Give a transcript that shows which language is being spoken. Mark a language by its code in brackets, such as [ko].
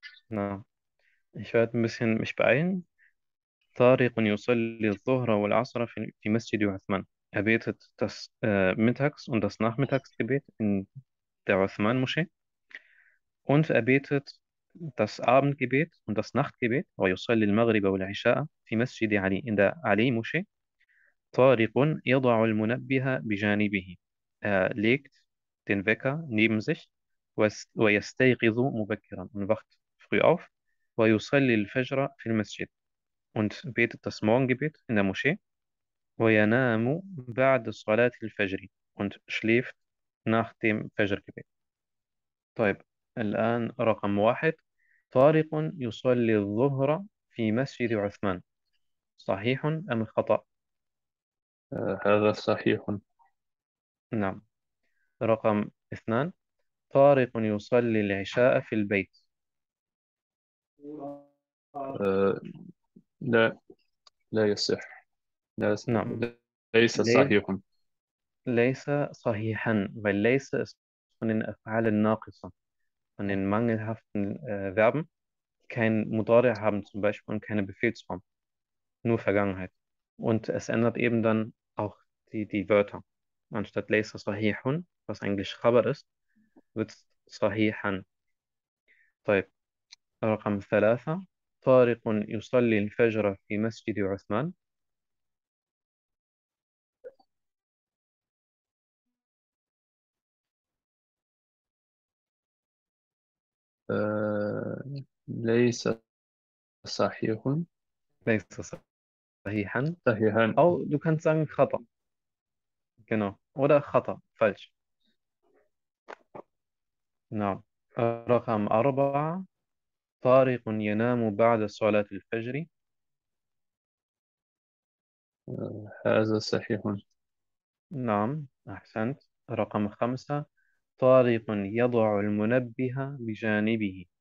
[de] نعم، ich werde ein bisschen mich beeilen. [ar] طارق يصلي الظهر والعصر في مسجد عثمان. [de] Er betet das Mittags- und das Nachmittagsgebet in der Uthman-Moschee. Und er betet das Abendgebet und das Nachtgebet, [ar] ويصلي المغرب والعشاء في مسجد علي, [de] in der Ali-Moschee. [ar] طارق يضع المنبه بجانبه. [de] Er legt den Wecker neben sich [ar] ويستيقظ مبكرا [de] und wacht früh auf, [ar] wa yusalli al-fajra fi al-masjid [de] und betet das Morgengebet in der Moschee, [ar] wa yanamu ba'd salat al-fajr [de] und schläft nach dem Fajr-Gebet. [ar] طيب الآن رقم واحد، طارق يصلي الظهر في مسجد عثمان، صحيح أم خطأ؟ هذا صحيح. نعم. رقم اثنان، طارق يصلي العشاء في البيت، لا يصح، نعم، ليس صحيح. ليس صحيحا، بل ليس من الأفعال الناقصة، من المانجلهافتن [de] Verben, kein Mudarih haben zum Beispiel und keine Befehlsform, nur Vergangenheit. Und es ändert eben dann auch die Wörter. Anstatt [ar] ليس صحيحا, [de] was eigentlich Khabar ist, wird es [ar] صحيحا. طيب، رقم ثلاثة، طارق يصلي الفجر في مسجد عثمان. ليس صحيح ليس صحيحا، صحيحا. [de] أو du kannst sagen خطأ. Genau. Oder خطأ، falsch. [ar] نعم. رقم أربعة، طارق ينام بعد صلاة الفجر. هذا صحيح. نعم، أحسنت. رقم خمسة، طارق يضع المنبه بجانبه.